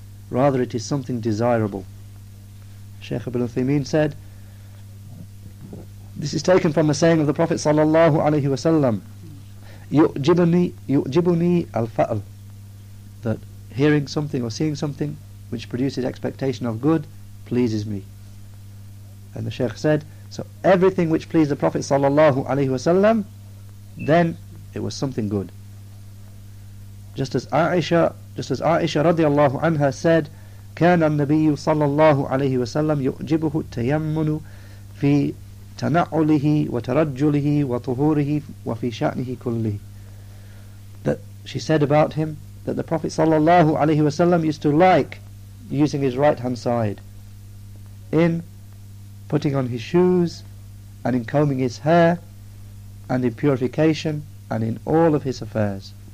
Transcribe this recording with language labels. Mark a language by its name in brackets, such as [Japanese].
[English] Rather, it is something desirable. Sheikh Ibn Uthaymeen said, this is taken from the saying of the Prophet sallallahu alaihi wasallam, [Arabic] yu'jibuni al-fa'al, [English] that hearing something or seeing something which produces expectation of good pleases me. And the Shaykh said, so everything which pleased the Prophet sallallahu alaihi wasallam, then it was something good. Just as Aisha radiallahu anha said, [Arabic] كان النبي صلى الله عليه وسلم يعجبه التيمن في تنعله وترجله وطهوره وفي شأنه كله. [English] That she said about him that the Prophet sallallahu alaihi wasallam used to like using his right hand side in putting on his shoes and in combing his hair and in purification and in all of his affairs.